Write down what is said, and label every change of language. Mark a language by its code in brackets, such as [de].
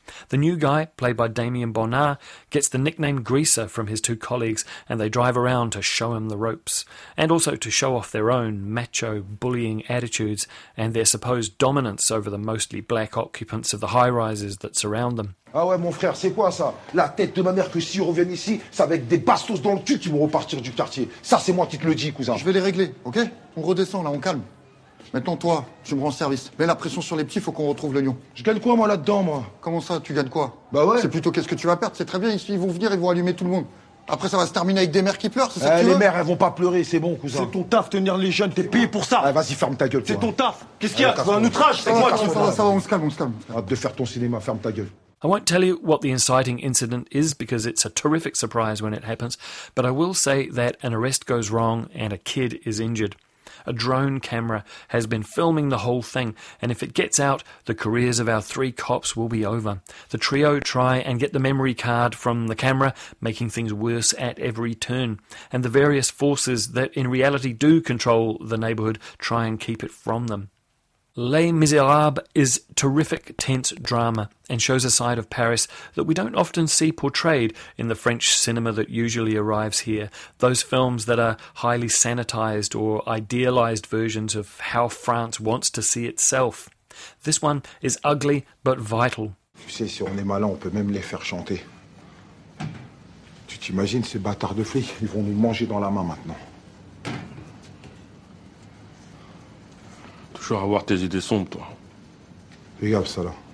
[en] The new guy, played by Damien Bonnard, gets the nickname Greaser from his two colleagues, and they drive around to show him the ropes, and also to show off their own macho, bullying attitudes and their supposed dominance over the mostly black occupants of the high-rises that surround them. [fr] Ah ouais, mon frère, c'est quoi ça? La tête de ma mère que si on revient ici, c'est avec des bastos dans le cul qui vont repartir du quartier. Ça, c'est moi qui te le dis, cousin. Je vais les régler, ok? On redescend, là, on calme. Maintenant, toi, tu me rends service. Mets la pression sur les petits, faut qu'on retrouve le lion. Je gagne quoi, moi, là-dedans, moi? Comment ça, tu gagnes quoi? Bah ouais. C'est plutôt qu'est-ce que tu vas perdre. C'est très bien, ici, ils vont venir, ils vont allumer tout le monde. Après, ça va se terminer avec des mères qui pleurent, c'est ça que tu veux? Les mères, elles vont pas pleurer, c'est bon, cousin. C'est ton taf, tenir les jeunes, t'es payé pour ça. Ah, vas-y, ferme ta gueule, toi. C'est ton taf. Qu'est-ce qu'il y a? C'est un outrage, c'est quoi, tu fais? Ça va, on se calme, on se calme. Hâte de faire ton cinéma, ferme ta gueule. [en] I won't tell you what the inciting incident is because it's a terrific surprise when it happens, but I will say that an arrest goes wrong and a kid is injured. A drone camera has been filming the whole thing, and if it gets out, the careers of our three cops will be over. The trio try and get the memory card from the camera, making things worse at every turn. And the various forces that in reality do control the neighbourhood try and keep it from them. Les Misérables is terrific, tense drama and shows a side of Paris that we don't often see portrayed in the French cinema that usually arrives here, those films that are highly sanitized or idealized versions of how France wants to see itself. This one is ugly but vital. [fr] Tu sais, si on est malin, on peut même les faire chanter. Tu t'imagines ces bâtards de flics, ils vont nous manger dans la main maintenant. Toujours avoir tes idées sombres, toi. Regarde ça, là.